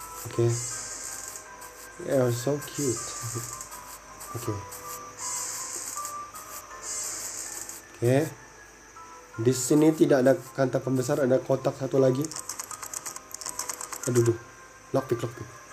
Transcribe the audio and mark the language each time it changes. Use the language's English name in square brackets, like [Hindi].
[English] Oke. Okay. You are so cute. Oke. Okay. Yeah. [Indonesian] Di sini tidak ada kantong pembesar, ada kotak satu lagi. Aduh, lockpick, lockpick.